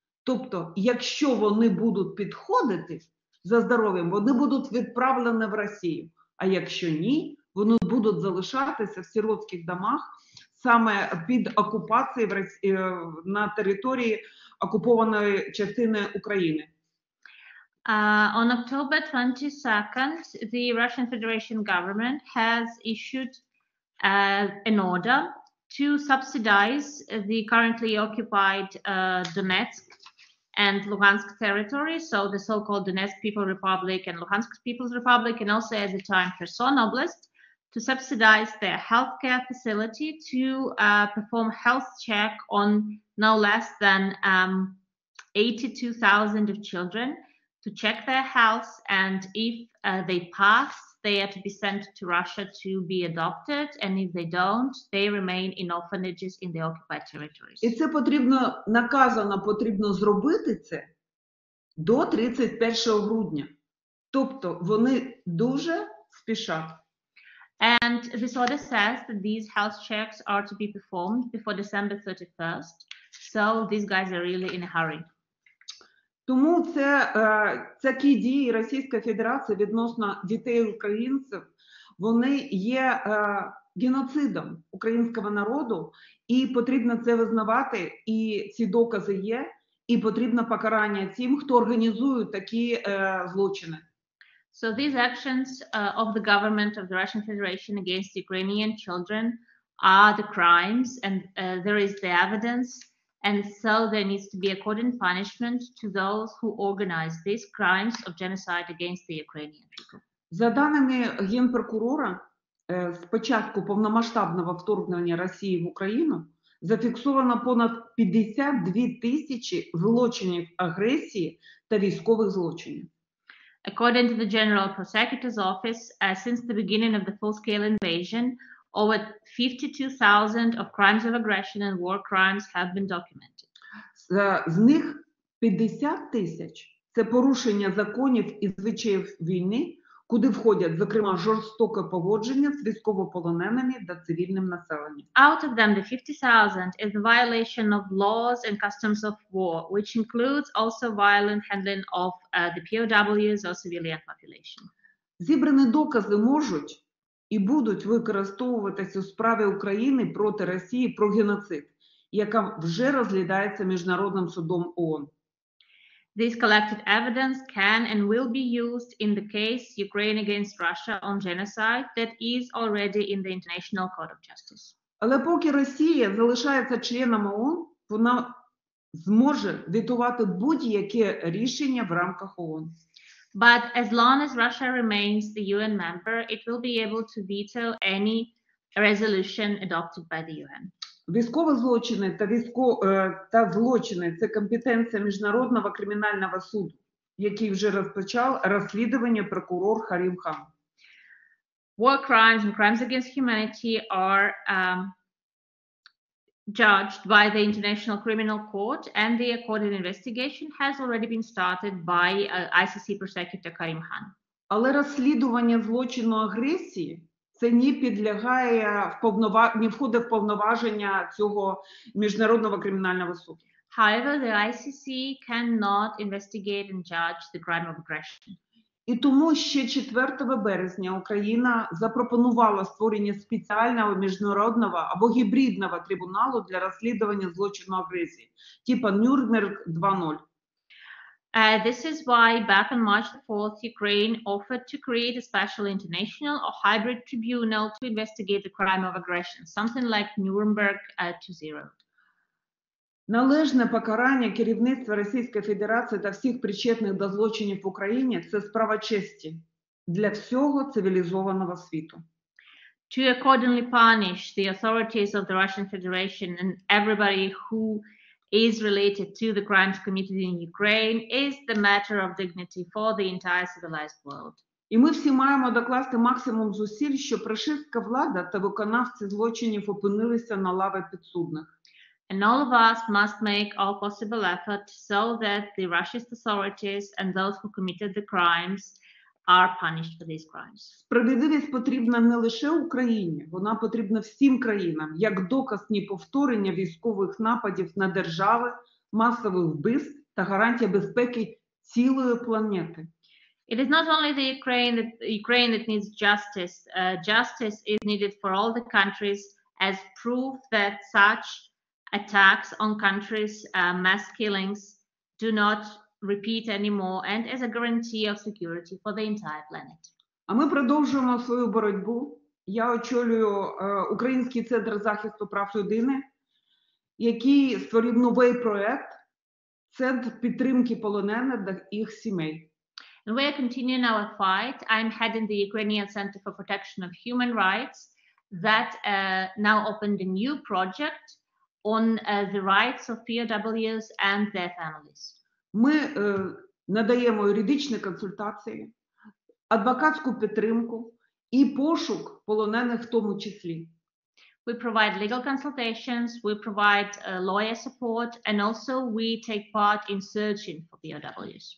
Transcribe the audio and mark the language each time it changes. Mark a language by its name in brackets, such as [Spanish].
[Ukrainian] Тобто, якщо вони будуть підходити за здоров'ям, вони будуть відправлені в Росію. А якщо ні, вони будуть залишатися в сиротських домах саме під окупацією на території окупованої частини України. [English] On October 22nd, the Russian Federation government has issued an order to subsidize the currently occupied Donetsk and Luhansk territory, so the so-called Donetsk People's Republic and Luhansk People's Republic, and also at the time Kherson Oblast, to subsidize their healthcare facility to perform health check on no less than 82,000 of children to check their health, and if they pass, they are to be sent to Russia to be adopted, and if they don't, they remain in orphanages in the occupied territories. [Ukrainian] І це потрібно, наказано потрібно зробити це до 31 грудня. Тобто вони дуже спішать. [English] And this order says that these health checks are to be performed before December 31st. So these guys are really in a hurry. [Ukrainian] Тому це такі дії Російської Федерації відносно дітей українців, вони є геноцидом українського народу, і потрібно це визнавати, і ці докази є, і потрібно покарання тим, хто організує такі злочини. [English] So these actions of the government of the Russian Federation against Ukrainian children are the crimes, and there is the evidence. And so there needs to be accorded punishment to those who organize these crimes of genocide against the Ukrainian people. [Ukrainian] За даними Генпрокурора, з початку повномасштабного вторгнення Росії в Україну зафіксовано понад 52 тисячі злочинів агресії та військових злочинів. [English] According to the General Prosecutor's Office, since the beginning of the full-scale invasion, over 52,000 of crimes of aggression and war crimes have been documented. [Ukrainian] З них 50 тисяч – це порушення законів і звичаїв війни, куди входять, зокрема, жорстоке поводження з військовополоненими та цивільним населенням. [English] Out of them, the 50,000 is the violation of laws and customs of war, which includes also violent handling of the POWs or civilian population. [Ukrainian] Зібрані докази можуть і будуть використовуватись у справі України проти Росії про геноцид, яка вже розглядається Міжнародним судом ООН. [English] This collected evidence can and will be used in the case Ukraine against Russia on genocide that is already in the International Court of Justice. [Ukrainian] Але поки Росія залишається членом ООН, вона зможе ветувати будь-яке рішення в рамках ООН. [English] But as long as Russia remains the UN member, it will be able to veto any resolution adopted by the UN. [Ukrainian] Військові злочини та та злочини – це компетенція Міжнародного кримінального суду, який вже розпочав розслідування прокурор Харім Хан. [English] War crimes and crimes against humanity are judged by the International Criminal Court, and the accorded investigation has already been started by ICC prosecutor Karim Khan. [Ukrainian] Але розслідування злочину агресії це не підлягає входить в повноваження цього Міжнародного кримінального суду. [English] However, the ICC cannot investigate and judge the crime of aggression. [Ukrainian] І тому ще 4 березня Україна запропонувала створення спеціального міжнародного або гібридного трибуналу для розслідування злочину агресії, типу Нюрнберг 2.0. [English] This is why back on March 4th, Ukraine offered to create a special international or hybrid tribunal to investigate the crime of aggression, something like Nuremberg 2.0. [Ukrainian] Належне покарання керівництва Російської Федерації та всіх причетних до злочинів в Україні – це справа честі для всього цивілізованого світу. [English] To accordingly punish the authorities of the Russian Federation and everybody who is related to the crimes committed in Ukraine is the matter of dignity for the entire civilized world. [Ukrainian] І ми всі маємо докласти максимум зусиль, щоб російська влада та виконавці злочинів опинилися на лаві підсудних. [English] And all of us must make all possible effort so that the Russian authorities and those who committed the crimes are punished for these crimes. [Ukrainian] Справедливість потрібна не лише Україні, вона потрібна всім країнам, як доказ неповторення військових нападів на держави, масових вбивств та гарантія безпеки цілої планети. [English] It is not only the Ukraine that needs justice. Justice is needed for all the countries as proof that such attacks on countries, mass killings do not repeat anymore, and as a guarantee of security for the entire planet. [Ukrainian] А ми продовжуємо свою боротьбу. Я очолюю Український центр захисту прав людини, який створив новий проект центр підтримки полонених та їх сімей. [English] And we are continuing our fight. I'm heading the Ukrainian Center for Protection of Human Rights that now opened a new project on the rights of POWs and their families. [Ukrainian] Ми надаємо юридичні консультації, адвокатську підтримку і пошук полонених в тому числі. [English] We provide legal consultations, we provide lawyer support, and also we take part in searching for POWs.